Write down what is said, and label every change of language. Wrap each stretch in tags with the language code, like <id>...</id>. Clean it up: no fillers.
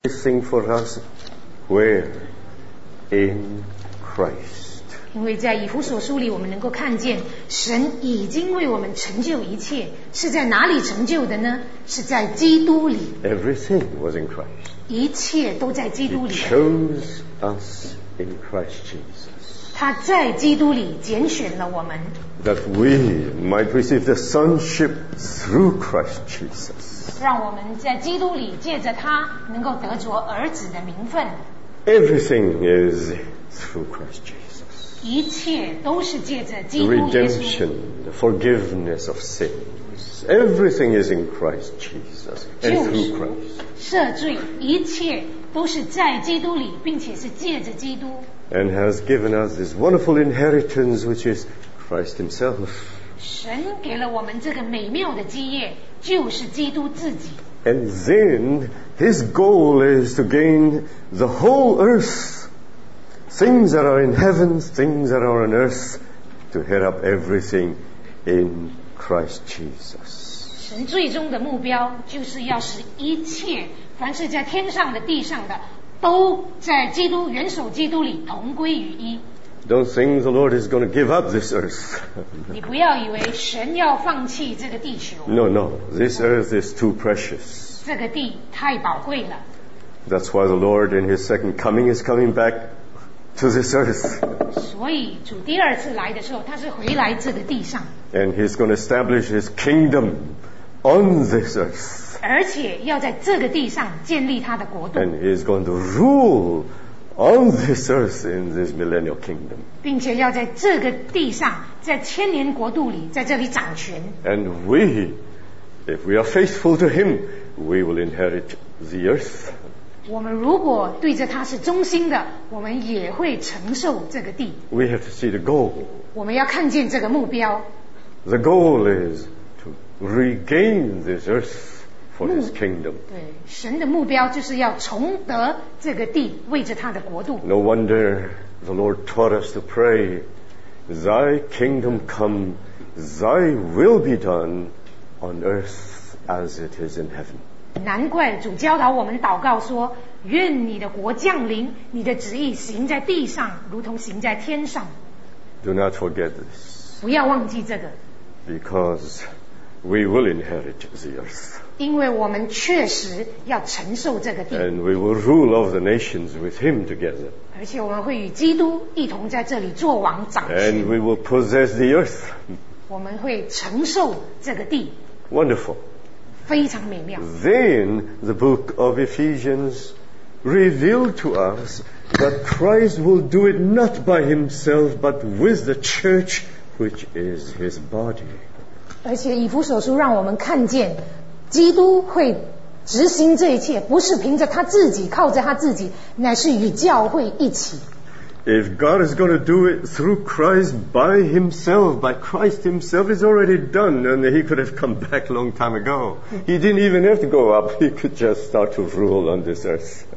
<en>Everything for us, where? In Christ.</en> <zh>因为在以弗所书里，我们能够看见神已经为我们成就一切，是在哪里成就的呢？是在基督里。</zh> <en>Everything was in Christ.</en> <zh>一切都在基督里。</zh> <en>He chose us in Christ Jesus.</en> <zh>他在基督里拣选了我们。</zh> <en>That we might receive the sonship through Christ Jesus.</en> <zh>让我们在基督里借着他能够得着儿子的名分。</zh> <en>Everything is through Christ Jesus.</en> <zh>一切都是借着基督耶稣。</zh> <en>The redemption, the forgiveness of sins. Everything is in Christ Jesus and through Christ.</en> <zh>赦罪，一切都是在基督里，并且是借着基督。</zh> <en>And has given us this wonderful inheritance, which is Christ Himself.</en> <zh>神给了我们这个美妙的基业，就是基督自己。</zh> <en>And then his goal is to gain the whole earth. Things that are in heaven, things that are on earth, to head up everything in Christ Jesus.</en> <zh>神最终的目标就是要使一切，凡是在天上的、地上的，都在基督、元首基督里同归于一。</zh> <en>Don't think the Lord is going to give up this earth.</en> <zh>你不要以为神要放弃这个地球。</zh> <en>No, no. This earth is too precious.</en> <zh>这个地太宝贵了。</zh> <en>That's why the Lord in his second coming is coming back to this earth.</en> <zh>所以主第二次来的时候，他是回来这个地上。</zh> <en>And he's going to establish his kingdom on this earth.</en> <zh>而且要在这个地上建立他的国度。</zh> <en>And he's going to rule on this earth in this millennial kingdom.</en> <zh>并且要在这个地上，在千年国度里，在这里掌权。</zh> <en>And we, if we are faithful to him, we will inherit the earth.</en> <zh>我们如果对着他是忠心的，我们也会承受这个地。</zh> <en>We have to see the goal.</en> <zh>我们要看见这个目标。</zh> <en>The goal is to regain this earth. For his kingdom.</en> <zh>对，神的目标就是要重得这个地，为着他的国度。</zh> <en>No wonder the Lord taught us to pray, Thy kingdom come, Thy will be done on earth as it is in heaven.</en> <zh>难怪主教导我们祷告说，愿你的国降临，你的旨意行在地上，如同行在天上。</zh> <en>Do not forget this.</en> <zh>不要忘记这个。</zh> <en>Because we will inherit the earth.</en> <zh>因为我们确实要承受这个地。</zh> <en>And we will rule over the nations with him together.</en> <zh>而且我们会与基督一同在这里做王掌权。</zh> <en>And we will possess the earth.</en> <zh>我们会承受这个地。</zh> <en>Wonderful.</en> <zh>非常美妙。</zh> <en>Then the book of Ephesians revealed to us that Christ will do it not by himself but with the church which is his body.</en> <zh>而且以弗所书让我们看见基督会执行这一切，不是凭着他自己，靠着他自己，乃是与教会一起。</zh> <en>If God is going to do it through Christ by himself, by Christ himself, it's already done, and he could have come back long time ago. He didn't even have to go up; he could just start to rule on this earth.</en>